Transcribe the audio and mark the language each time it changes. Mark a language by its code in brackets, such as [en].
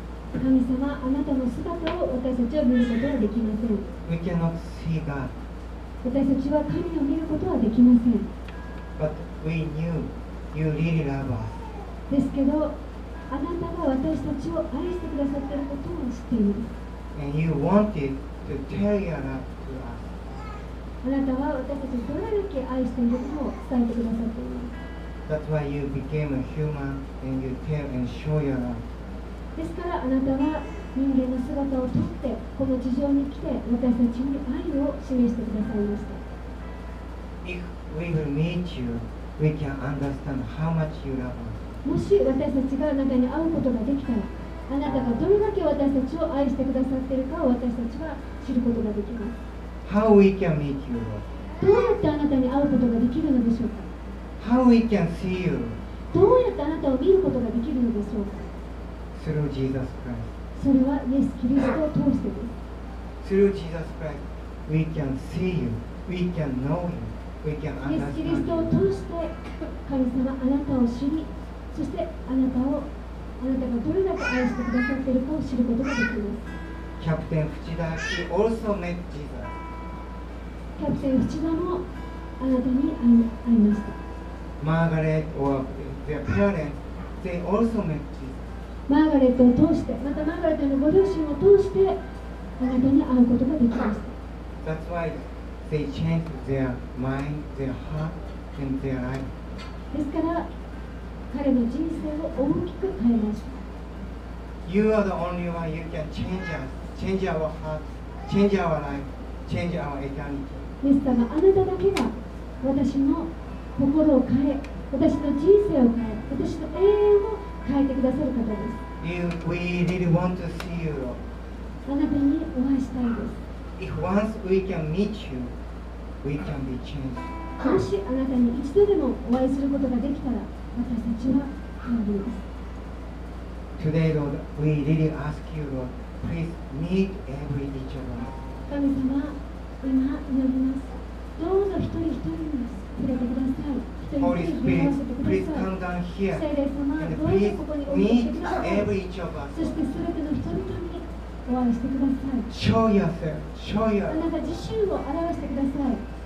[ja] 神様、あなたの姿を私たちは見ることはできません。 [en] We cannot see God. [ja] 私たちは神を見ることはできません。 [en] But we knew you really love us. [ja] ですけど、あなたが私たちを愛してくださっていることを知っている。 [en] And you wanted to tell your love to us. [ja] あなたは私たちをどれだけ愛しているかを伝えてくださっている。 [en] That's why you became a human and you tell and show your love. [ja] ですからあなたは人間の姿をとってこの地上に来て私たちに愛を示してくださいました。 [en] If we will meet you, we can understand how much you love us. [ja] もし私たちがあなたに会うことができたら、あなたがどれだけ私たちを愛してくださっているかを私たちは知ることができます。 [en] How we can meet you? [ja] どうやってあなたに会うことができるのでしょうか。 [en] How we can see you? [ja] どうやってあなたを見ることができるのでしょうか。 [en] Through Jesus Christ. [ja] それはイエス・キリストを通してです。 [en] Through Jesus Christ, we can see you. We can know you. [ja] イエス・キリストを通して神様あなたを知り、そしてあなたがどれだけ愛してくださっているかを知ることができます。 [en] キャプテン・フチダ、he also met Jesus. [ja] キャプテン・フチダもあなたに会いました。 [en] マーガレット or their parents, they also met Jesus. [ja] マーガレットを通して、またマーガレットのご両親を通してあなたに会うことができました。 [en] That's why. They changed their mind, their heart, and their life. [ja] ですから彼の人生を大きく変えました。 [en] You are the only one you can change us, change our heart, change our life, change our eternity. [ja] ですからあなただけが私の心を変え、私の人生を変え、私の永遠を変えてくださる方です。 [en] We really want to see you, Lord. [ja] あなたにお会いしたいです。 [en] If once we can meet you, we can be changed. [ja] もしあなたに一度でもお会いすることができたら、私たちは変わります。 [en] Today, Lord, we really ask you, Lord, please meet every each of us. [ja] 神様、今祈ります。どうぞ一人一人に触れてください。 [en] Holy Spirit, please come down here and please meet every each of us. [ja] そしてすべての人々に。お会いしてください。 [en] Show yourself. Show yourself. [ja] あなた自身を表してください。